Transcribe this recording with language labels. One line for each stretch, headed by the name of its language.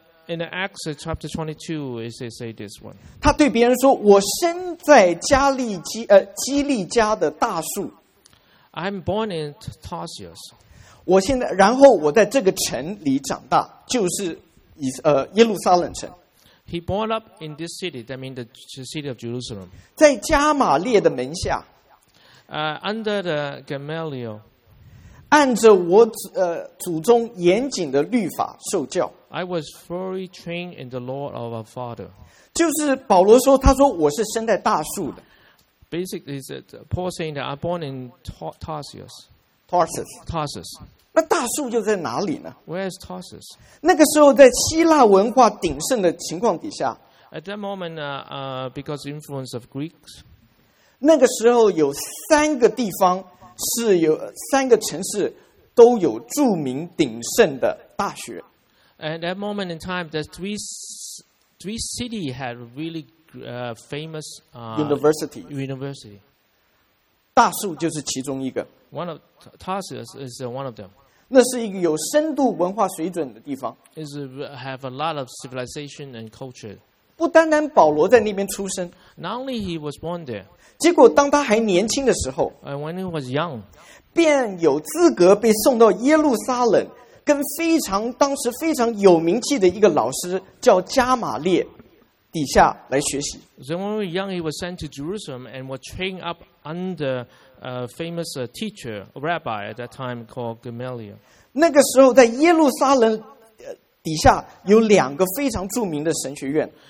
English: In Acts chapter 22, it says this one.
Chinese: 他对别人说：“我生在加利基基利家的大树。
English: ”I'm born in Tarsus.
Chinese: 我现在，然后我在这个城里长大，就是耶路撒冷城。
English: He brought up in this city, that means the city of Jerusalem.
Chinese: 在加玛列的门下。
English: Under the Gamaliel.
Chinese: 按着我祖宗严谨的律法受教。
English: I was fully trained in the law of our father.
Chinese: 就是保罗说，他说我是生在大树的。
English: Basically, is that Paul saying that I'm born in Tarsus. Tarsus. Tarsus.
Chinese: 那大树就在哪里呢
English: ？Where is Tarsus？
Chinese: 那个时候在希腊文化鼎盛的情况底下
English: ，At that moment, because influence of Greeks，
Chinese: 那个时候有三个地方是有三个城市都有著名鼎盛的大学。
English: At that moment in time, there's three city had really famous university. University.
Chinese: 大树就是其中一个。
English: One of Tarsus is one of them.
Chinese: 那是一个有深度文化水准的地方。
English: Is have a lot of civilization and culture.
Chinese: 不单单保罗在那边出生。
English: Not only he was born there.
Chinese: 结果当他还年轻的时候
English: ，when he was young,
Chinese: 便有资格被送到耶路撒冷，跟非常当时非常有名气的一个老师叫加玛列底下来学习。
English: So when he was young, he was sent to Jerusalem and was trained up under. Famous teacher, rabbi at that time called Gamaliel.
Chinese: 那个时候在耶路撒冷底下有两个非常著名的神学院。